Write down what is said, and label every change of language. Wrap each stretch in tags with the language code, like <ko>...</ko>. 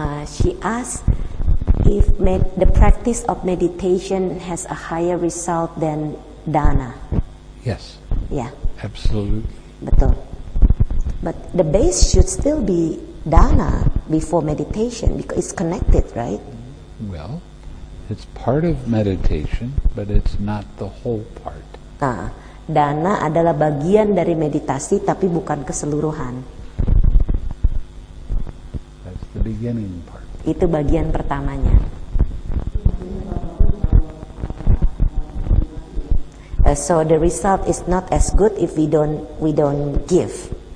<en>She asked if the practice of meditation has a higher result than dana. Yes. Yeah. Absolutely.</en> <id>Betul.</id> <en>But the base should still be dana before meditation, because it's connected, right? Well, it's part of meditation, but it's not the whole part.</en> <id>Nah, dana adalah bagian dari meditasi, tapi bukan keseluruhan.</id> <en>That's the beginning part.</en> <id>Itu bagian pertamanya.</id> <en>So the result is not as good if we don't give.</en>